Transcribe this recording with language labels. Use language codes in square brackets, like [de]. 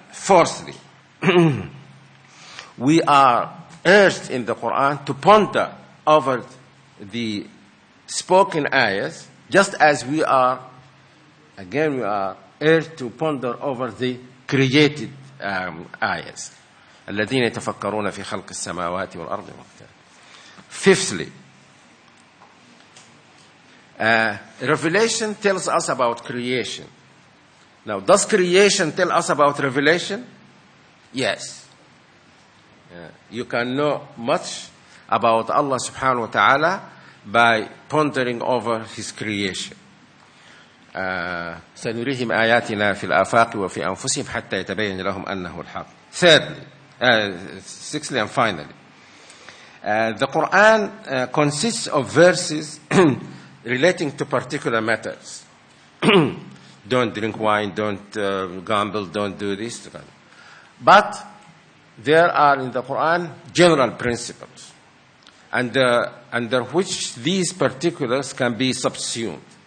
[en] Fourthly, we are urged in the Quran to ponder over the spoken ayahs, just as we are urged to ponder over the created ayahs. [ar] الذين يتفكرون في خلق السماوات والأرض. [en] Fifthly, revelation tells us about creation. Now, does creation tell us about revelation? Yes. You can know much about Allah subhanahu wa ta'ala by pondering over his creation. [ar] سنريهم آياتنا في الآفاق وفي أنفسهم حتى يتبين لهم أنه الحق. [en] Thirdly, sixthly and finally, the Quran consists of verses relating to particular matters. Don't drink wine, don't gamble, don't do this. But there are in the Quran general principles under which these particulars can be subsumed.